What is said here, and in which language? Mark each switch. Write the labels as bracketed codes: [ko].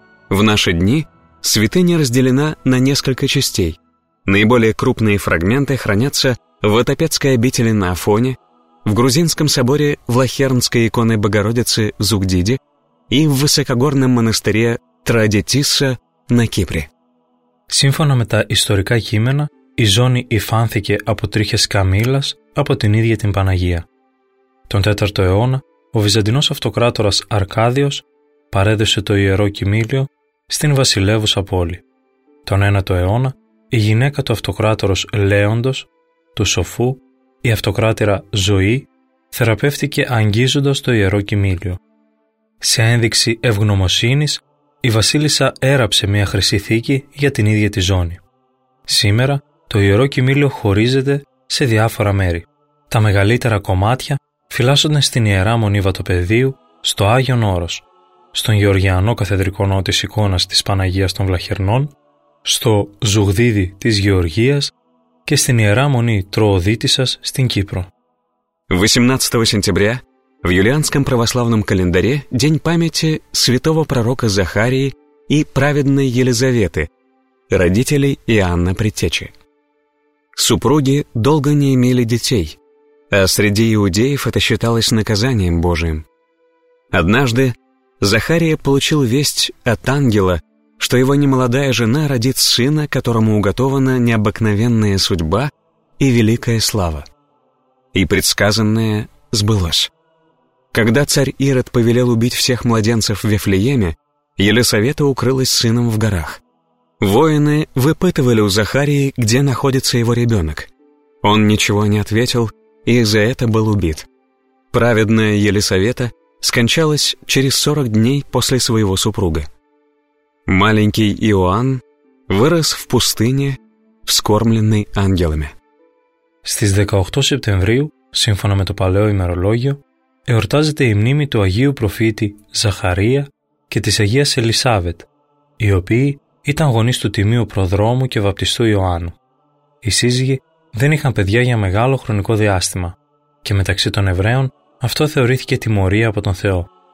[ru] В наши дни святыня разделена на несколько частей. Наиболее крупные фрагменты хранятся в Отопецкой обители на Афоне, в Грузинском соборе Влахернской иконы Богородицы Зугдиди и в Высокогорном монастыре Традитиса на Кипре. [el] Σύμφωνα με τα ιστορικά κείμενα, η ζώνη υφάνθηκε από τρίχες καμήλας από την ίδια την Παναγία. Τον 4ο αιώνα, ο Βυζαντινός αυτοκράτορας Αρκάδιος παρέδωσε το ιερό κοιμήλιο στην βασιλεύουσα πόλη. Τον 9ο αιώνα, η γυναίκα του αυτοκράτορος Λέοντος, του Σοφού, η αυτοκράτηρα Ζωή, θεραπεύτηκε αγγίζοντας το ιερό κοιμήλιο. Σε ένδειξη ευγνωμοσύνης, η βασίλισσα έραψε μια χρυσή θήκη για την ίδια τη ζώνη. Σήμερα, το ιερό κοιμήλιο χωρίζεται σε διάφορα μέρη. Τα μεγαλύτερα κομμάτια φυλάσσονται στην Ιερά Μονή Βατοπεδίου, στο Άγιον Όρος, στον Γεωργιανό Καθεδρικό Ναό της εικόνας της Παναγίας των Βλαχερνών, στο Ζουγδίδι της Γεωργίας και στην Ιερά Μονή Τροοδίτισσας στην Κύπρο. [ru] 18 Σεπτεμβρίου, в юлианском православном календаре день памяти святого пророка Захарии и праведной Елизаветы, родителей Иоанна Предтечи. Супруги долго не имели детей, а среди иудеев это считалось наказанием Божиим. Однажды Захария получил весть от ангела, что его немолодая жена родит сына, которому уготована необыкновенная судьба и великая слава. И предсказанное сбылось. Когда царь Ирод повелел убить всех младенцев в Вифлееме, Елисавета укрылась с сыном в горах. Воины выпытывали у Захарии, где находится его ребенок. Он ничего не ответил и за это был убит. Праведная Елисавета скончалась через 40 дней после своего супруга. Маленький Иоанн вырос в пустыне, вскормленный ангелами. [el] Στις 18 Σεπτεμβρίου, σύμφωνα με το παλαιό ημερολόγιο, εορτάζεται η μνήμη του Αγίου Προφήτη Ζαχαρία και της Αγίας Ελισάβετ, οι οποίοι ήταν γονείς του Τιμίου Προδρόμου και Βαπτιστού Ιωάννου. Οι σύζυγοι δεν είχαν παιδιά για μεγάλο χρονικό διάστημα και μεταξύ των Εβραίων αυτό θεωρήθηκε τιμωρία από τον Θεό.